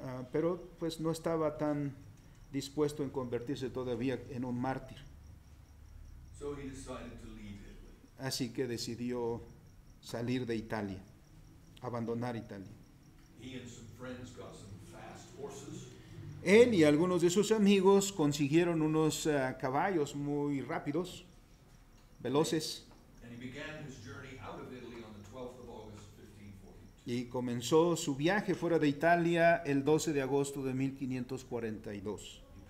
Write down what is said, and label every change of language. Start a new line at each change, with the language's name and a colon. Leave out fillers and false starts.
Spanish: Pero pues no estaba tan dispuesto en convertirse todavía en un mártir.
English: So he decided to leave Italy.
Spanish: Así que decidió salir de Italia, abandonar Italia.
English: He and some friends got some fast horses.
Spanish: Él y algunos de sus amigos consiguieron unos caballos muy rápidos, veloces.
English: And he began his journey out of Italy on the 12th of August, 1542.
Spanish: Y comenzó su viaje fuera de Italia el 12 de agosto de 1542.